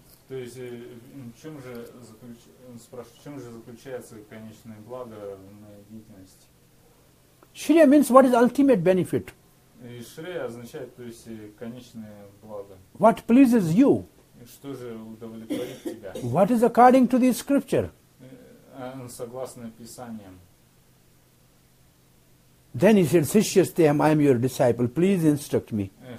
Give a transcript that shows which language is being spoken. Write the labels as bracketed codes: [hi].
[ru] То есть, чем же спрашивает, чем же заключается конечное благо на деятельности? [en] Shriya means what is ultimate benefit. [ru] И Shriya означает, то есть, конечное благо. [en] What pleases you? [ru] Что же удовлетворит тебя? [en] What is according to the scripture? [ru] Согласно Писаниям. [en] Then he said, Shishyastham, I am your disciple, please instruct me.